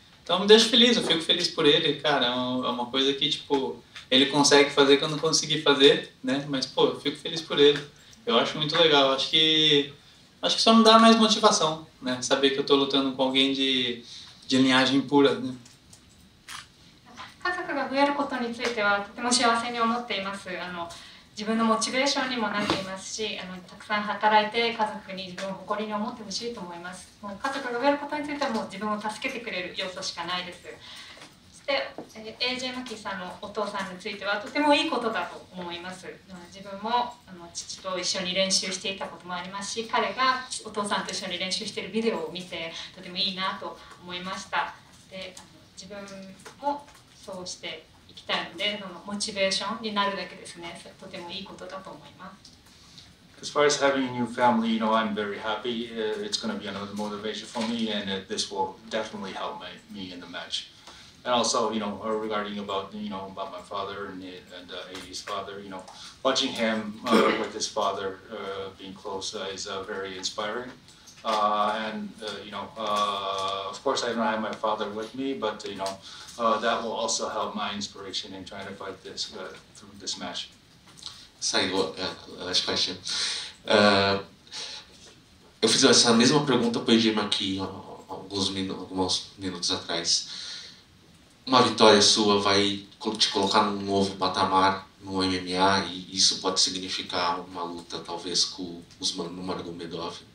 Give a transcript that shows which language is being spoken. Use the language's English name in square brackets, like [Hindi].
[Portuguese] Então, me deixa feliz, eu fico feliz por ele, cara. É uma coisa que, tipo, ele consegue fazer que eu não consegui fazer, né? Mas, pô, eu fico feliz por ele. Eu acho muito legal. Acho que só me dá mais motivação, né? Saber que eu tô lutando com alguém de linhagem pura, né? [Japanese] 家族が増えることについてはとても幸せに思っています。自分のモチベーションにもなっていますし、たくさん働いて家族に自分を誇りに思ってほしいと思います。もう家族が増えることについてはもう自分を助けてくれる要素しかないです。そして、AJ マキさんのお父さんについてはとてもいいことだと思います。自分も父と一緒に練習していたこともありますし、彼がお父さんと一緒に練習しているビデオを見てとてもいいなと思いました。で、自分もそうしていきたいので、そのモチベーションになるだけですね。とてもいいことだと思います。 [English] As far as having a new family, you know, I'm very happy. It's going to be another motivation for me, and this will definitely help me in the match. And also, you know, regarding about my father and AJ's father, you know, watching him with his father being close is very inspiring. Of course, I don't have my father with me, but you know, that will also help my inspiration in trying to fight this through this match. Last question. [Portuguese] Eu fiz essa mesma pergunta para o Gema aqui alguns minutos atrás. Uma vitória sua vai te colocar num novo patamar no MMA, e isso pode significar uma luta talvez com Usman Nurmagomedov.